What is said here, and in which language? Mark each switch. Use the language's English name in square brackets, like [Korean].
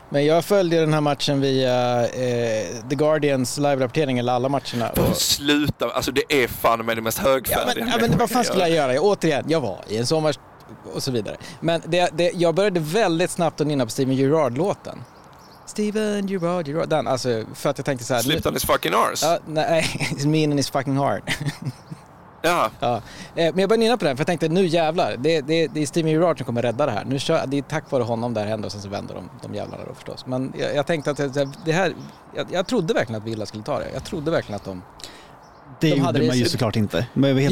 [Swedish] Men jag följde den här matchen via The Guardians live-rapportering, eller alla matcherna. Sluta, alltså det är fan med det mest högfärdiga. Ja, men vad fan skulle jag göra? Återigen, jag var i en sommar och så vidare. Men jag började väldigt snabbt att nynna på Steven Gerrard-låten. Steven Gerrard, Gerrard. Den, alltså, för att jag tänkte så här... [English] Slipped on his fucking arse. Nej, it's mean in his fucking heart. [Swedish] Ja. Men jag började nynna på den, för jag tänkte, nu jävlar, det är Steven Gerrard som kommer rädda det här. Nu kör, det är tack vare honom det här händer, och sen så vänder de jävlarna då förstås. Men jag tänkte att det här, jag trodde verkligen att Villa skulle ta det. Jag trodde verkligen att de hade det. Man ju såklart inte. Men jag var helt